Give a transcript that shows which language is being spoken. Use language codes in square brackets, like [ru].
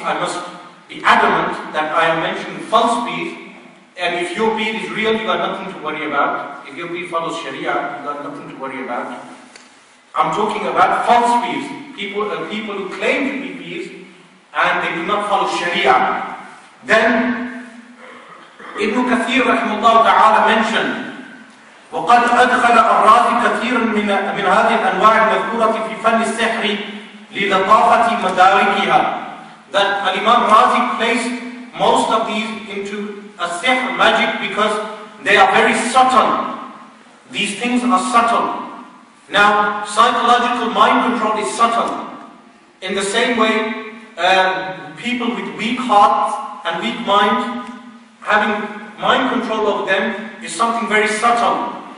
[en] I must be adamant that I am mentioning false peers. And if your peer is real, you got nothing to worry about. If your peer follows Sharia, you got nothing to worry about. I'm talking about false peers. People who claim to be peers, and they do not follow Sharia. Then, [ar] Ibn Kathir rahimahullah ta'ala [en] mentioned, [ar] وَقَدْ أَدْخَلَ أَرَّاضِ كَثِيرٌ مِنْ هَذِي الْأَنْوَاعِ الْمَذْكُورَةِ فِي فَنِّ السِّحْرِ لِلَطَافَةِ مَدَارِكِهَا. [en] That Al-Imam Razi placed most of these into a sihr magic because they are very subtle. These things are subtle. Now, psychological mind control is subtle. In the same way, people with weak hearts and weak mind, having mind control over them is something very subtle.